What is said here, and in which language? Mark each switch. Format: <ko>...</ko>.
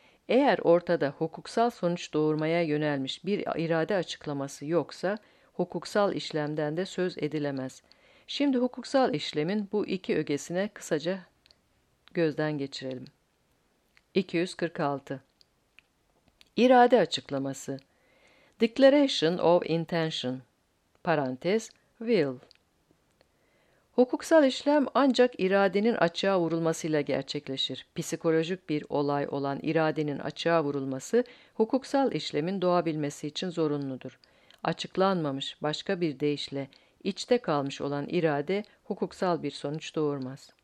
<tr>Eğer ortada hukuksal sonuç doğurmaya yönelmiş bir irade açıklaması yoksa, hukuksal işlemden de söz edilemez. Şimdi hukuksal işlemin bu iki ögesine kısaca gözden geçirelim. 246. İrade açıklaması.</tr> <en>Declaration of intention.</en> <tr>Parantez, will. Hukuksal işlem ancak iradenin açığa vurulmasıyla gerçekleşir. Psikolojik bir olay olan iradenin açığa vurulması, hukuksal işlemin doğabilmesi için zorunludur. Açıklanmamış başka bir deyişle içte kalmış olan irade hukuksal bir sonuç doğurmaz.</tr>